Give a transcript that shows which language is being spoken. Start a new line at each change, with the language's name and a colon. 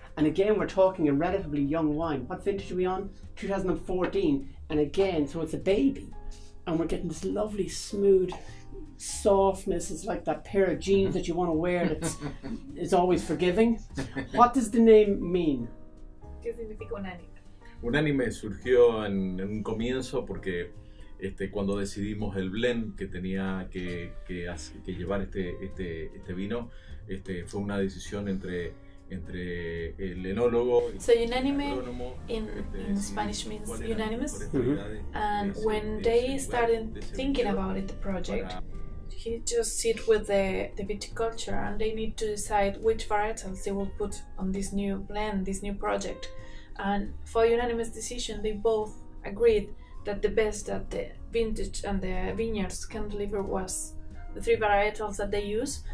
English: And again, we're talking a relatively young wine. What vintage are we on? 2014. And again, so it's a baby. And we're getting this lovely, smooth softness. Is like that pair of jeans that you want to wear that's is always forgiving. What does the name mean?
Spanish: ¿Qué significa unánime? Unánime surgió en un comienzo porque cuando decidimos el blend que tenía que llevar este vino, fue una decisión entre el enólogo.
English: So unánime in Spanish means unanimous. Mm-hmm. And when they started thinking about it, the project, he just sit with the viticulture, and they need to decide which varietals they will put on this new blend, this new project. And for unanimous decision, they both agreed that the best that the vintage and the vineyards can deliver was the 3 varietals that they use.